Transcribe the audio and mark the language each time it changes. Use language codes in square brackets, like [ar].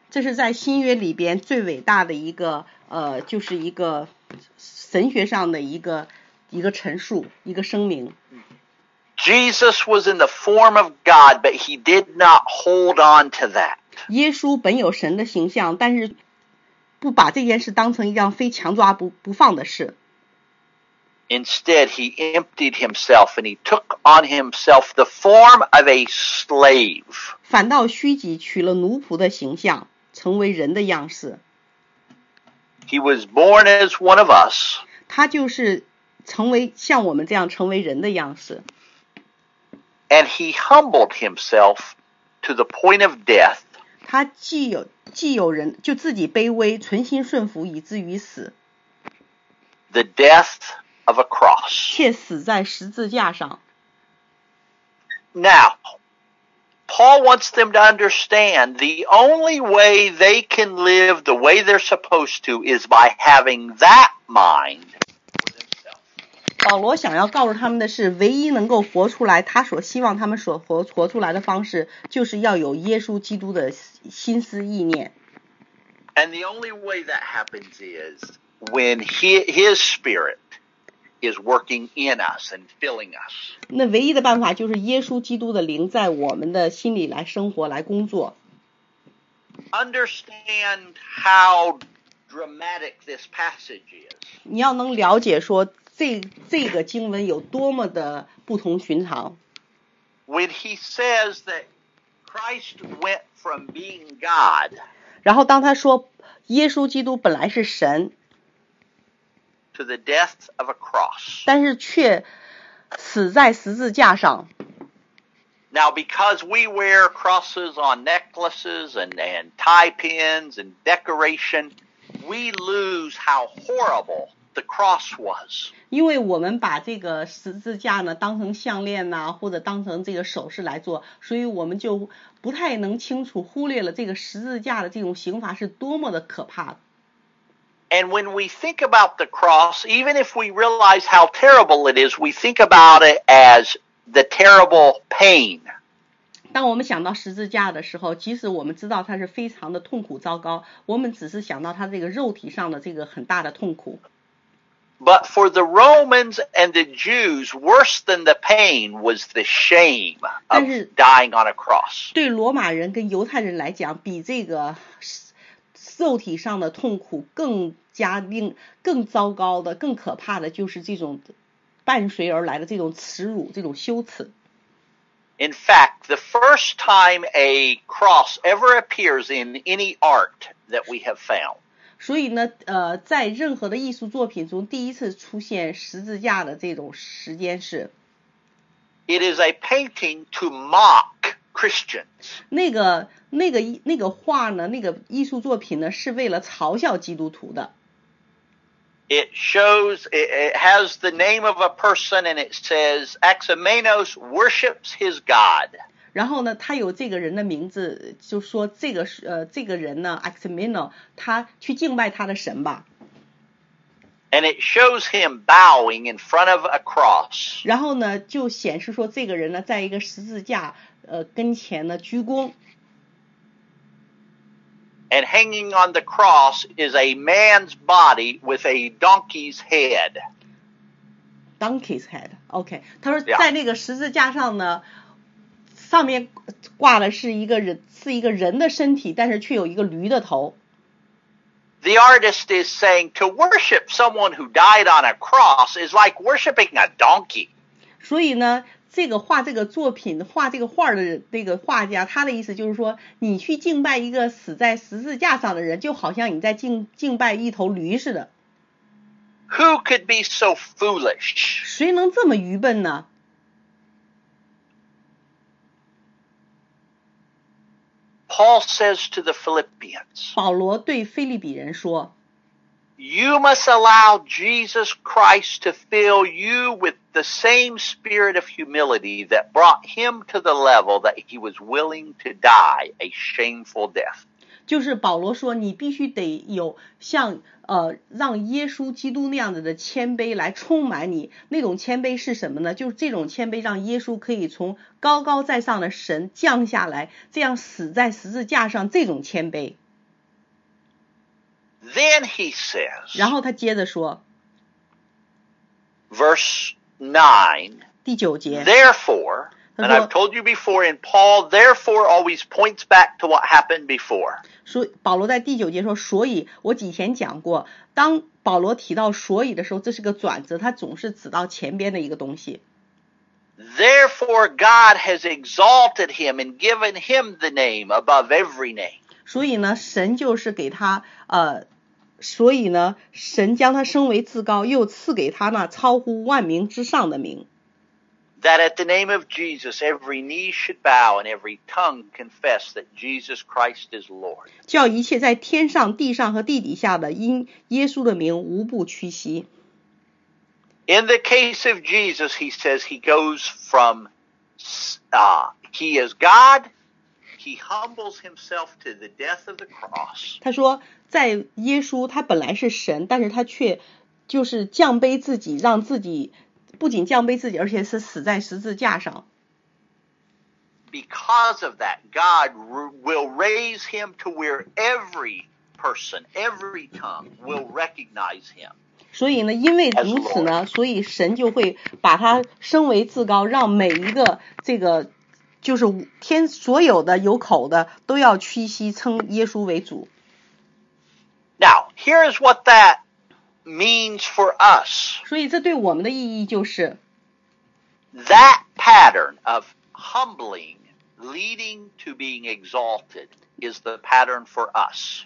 [zh] 这是在新约里边最伟大的一个就是一个神学上的一个陈述，一个声明。 [en] Jesus was in the form of God, but he did not hold on to that. [zh] 耶稣本有神的形象，但是不把这件事当成一样非强抓不放的事。 [en] Instead, he emptied himself and he took on himself the form of a slave. [zh] 反倒虚己，取了奴仆的形象，成为人的样式。 [en] He was born as one of us. [zh] 他就是成为像我们这样成为人的样式。 [en] And he humbled himself to the point of death. [zh] 他既有人，就自己卑微，存心顺服，以至于死。 [en] The death of a cross. [zh] 却死在十字架上。 [en] Now, Paul wants them to understand the only way they can live the way they're supposed to is by having that mind for themselves. And the only way that happens is when his spirit is working in us and filling us. [zh] 那唯一的办法就是耶稣基督的灵在我们的心里来生活，来工作。 [en] Understand how dramatic this passage is. [zh] 你要能了解说这个经文有多么的不同寻常。 [en] When he says that Christ went from being God. [zh] 然后当他说耶稣基督本来是神。 [en] To the death of a cross. [zh] 但是却死在十字架上。 [en] Now, because we wear crosses on necklaces and tie pins and decoration, we lose how horrible the cross was. [zh] 因为我们把这个十字架呢当成项链呐、啊，或者当成这个首饰来做，所以我们就不太能清楚忽略了这个十字架的这种刑罚是多么的可怕的。 [en] And when we think about the cross, even if we realize how terrible it is, we think about it as the terrible pain. [zh] 当我们想到十字架的时候，即使我们知道它是非常的痛苦糟糕，我们只是想到它这个肉体上的这个很大的痛苦。 [en] But for the Romans and the Jews, worse than the pain was the shame of dying on a cross. [zh] 对罗马人跟犹太人来讲，比这个肉体上的痛苦更糟糕的更可怕的就是这种伴随而来的这种耻辱这种羞耻。 [en] In fact, the first time a cross ever appears in any art that we have found. [zh] 所以呢在任何的艺术作品中第一次出现十字架的这种时间是。 [en] It is a painting to mock Christians. [zh] 那个画呢那个艺术作品呢是为了嘲笑基督徒的。 [en] It shows, it has the name of a person and it says, Axomenos worships his God. [zh] 然后呢他有这个人的名字就说这个人呢 Axomenos, 他去敬拜他的神吧。 [en] And it shows him bowing in front of a cross. [zh] 然后呢就显示说这个人呢在一个十字架跟前呢鞠躬。 [en] And hanging on the cross is a man's body with a donkey's head. Donkey's head, okay. [zh] 他说在那个十字架上呢，上面挂的是一个人，是一个人的身体，但是却有一个驴的头。 [en] The artist is saying to worship someone who died on a cross is like worshiping a donkey. [zh] 所以呢这个画这个作品画这个画的那个画家他的意思就是说你去敬拜一个死在十字架上的人就好像你在敬拜一头驴似的。 [en] Who could be so foolish? [zh] 谁能这么愚笨呢 [en] ?Paul says to the Philippians, [zh] 保罗对腓立比人说 [en] You must allow Jesus Christ to fill you with the same spirit of humility that brought him to the level that he was willing to die a shameful death. [zh] 就是保罗说你必须得有像让耶稣基督那样子的谦卑来充满你。那种谦卑是什么呢就是这种谦卑让耶稣可以从高高在上的神降下来这样死在十字架上这种谦卑。 [en] Then he says, [zh] 然后他接着说 [en] Verse 9, [zh] 第九节 [en] therefore, and I've told you before in Paul, therefore always points back to what happened before. [zh] 保罗在第九节说所以我几天讲过当保罗提到所以的时候这是个转折他总是指到前边的一个东西。 [en] Therefore God has exalted him and given him the name above every name. [zh] 所以呢神就是给他所以呢神将他升为至高又赐给他那超乎万名之上的名。 [en] That at the name of Jesus, every knee should bow and every tongue confess that Jesus Christ is Lord. [zh] 叫一切在天上地上和地底下的因耶稣的名无不屈膝。 [en] In the case of Jesus, he says he goes from, he is God he humbles himself to the death of the cross. [zh] 他说在耶稣他本来是神，但是他却就是降卑自己，让自己不仅降卑自己，而且是死在十字架上。 [en] Because of that, God will raise him to where every person, every tongue will recognize him. [zh] 所以呢，因为如此呢，所以神就会把他升为至高，让每一个这个就是天所有的有口的都要屈膝称耶稣为主。 [en] Now, here is what that means for us. [zh] 所以这对我们的意义就是 [en] that pattern of humbling leading to being exalted is the pattern for us.